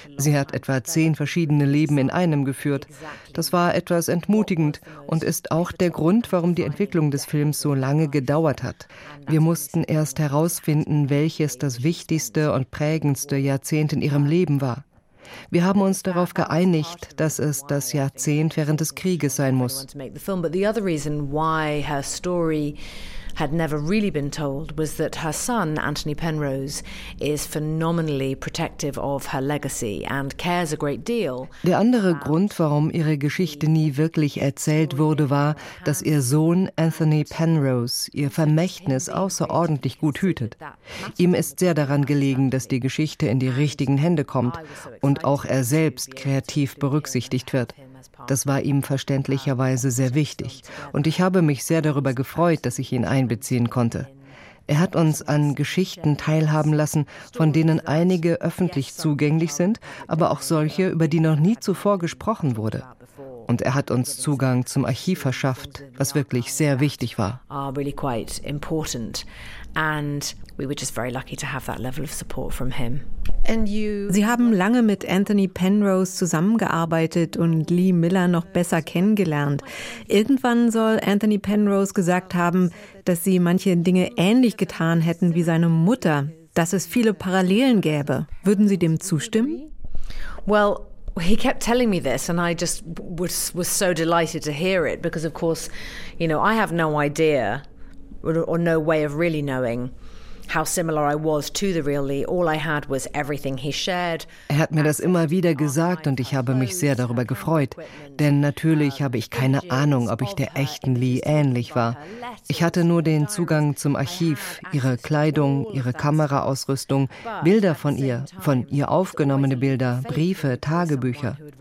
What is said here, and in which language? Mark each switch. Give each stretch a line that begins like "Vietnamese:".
German: Sie hat etwa 10 verschiedene Leben in einem geführt. Das war etwas entmutigend und ist auch der Grund, warum die Entwicklung des Films so lange gedauert hat. Wir mussten erst herausfinden, welches das wichtigste und prägendste Jahrzehnt in ihrem Leben war. Wir haben uns darauf geeinigt, dass es das Jahrzehnt während des Krieges sein muss.
English: But the other reason why her story had never really been told was that her son Anthony Penrose is phenomenally protective of her legacy and cares a great deal.
German: Der andere Grund, warum ihre Geschichte nie wirklich erzählt wurde, war, dass ihr Sohn Anthony Penrose ihr Vermächtnis außerordentlich gut hütet. Ihm ist sehr daran gelegen, dass die Geschichte in die richtigen Hände kommt und auch er selbst kreativ berücksichtigt wird. Das war ihm verständlicherweise sehr wichtig. Und ich habe mich sehr darüber gefreut, dass ich ihn einbeziehen konnte. Er hat uns an Geschichten teilhaben lassen, von denen einige öffentlich zugänglich sind, aber auch solche, über die noch nie zuvor gesprochen wurde. und er hat uns Zugang zum Archiv verschafft, was wirklich sehr wichtig war. Sie haben lange mit Anthony Penrose zusammengearbeitet und Lee Miller noch besser kennengelernt. Irgendwann soll Anthony Penrose gesagt haben, dass sie manche Dinge ähnlich getan hätten wie seine Mutter, dass es viele Parallelen gäbe. Würden Sie dem zustimmen?
English: Well, he kept telling me this and I just was so delighted to hear it because of course, you know, I have no idea or no way of really knowing how similar I was to the real Lee. All I had was everything he shared.
German: Er hat mir das immer wieder gesagt und ich habe mich sehr darüber gefreut, denn natürlich habe ich keine Ahnung, ob ich der echten Lee ähnlich war. Ich hatte nur den Zugang zum Archiv, ihre Kleidung, ihre Kameraausrüstung, Bilder von ihr aufgenommene Bilder, Briefe, Tagebücher.